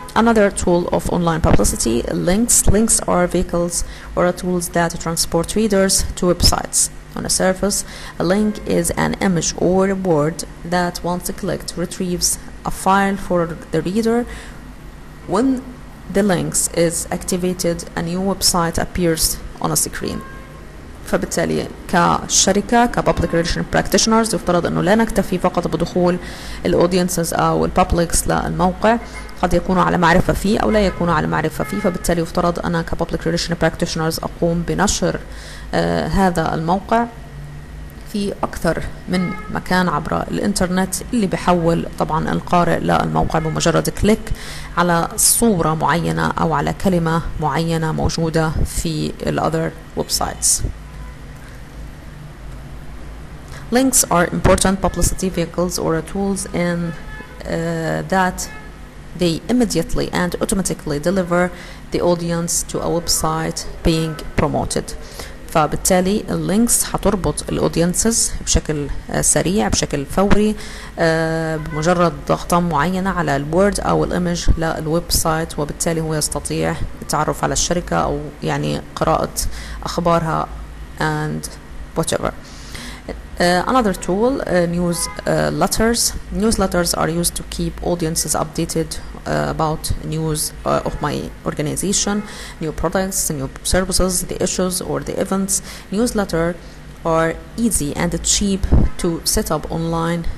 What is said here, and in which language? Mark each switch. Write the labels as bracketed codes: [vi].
[en] Another tool of online publicity, links. Links are vehicles or tools that transport readers to websites. On a surface, a link is an image or a word that, once clicked, retrieves a file for the reader. When the link is activated, a new website appears on a screen. [ar] فبالتالي كشركة كpublic relations practitioners يفترض أنه لا نكتفي فقط بدخول الaudiences أو الpublics للموقع، قد يكون على معرفة فيه أو لا يكون على معرفة فيه. فبالتالي يفترض أنا كpublic relations practitioners أقوم بنشر هذا الموقع في أكثر من مكان عبر الإنترنت، اللي بحول طبعا القارئ للموقع بمجرد كليك على صورة معينة أو على كلمة معينة موجودة في الother websites. [en] Links are important publicity vehicles or tools in that they immediately and automatically deliver the audience to a website being promoted. [ar] فبالتالي links هتربط الaudiences بشكل سريع بشكل فوري بمجرد ضغطة معينة على الword أو الimage للويبسايت، وبالتالي هو يستطيع التعرف على الشركة أو يعني قراءة أخبارها [en] and whatever. Another tool, newsletters. Newsletters are used to keep audiences updated about news of my organization, new products, new services, the issues or the events. Newsletters are easy and cheap to set up online.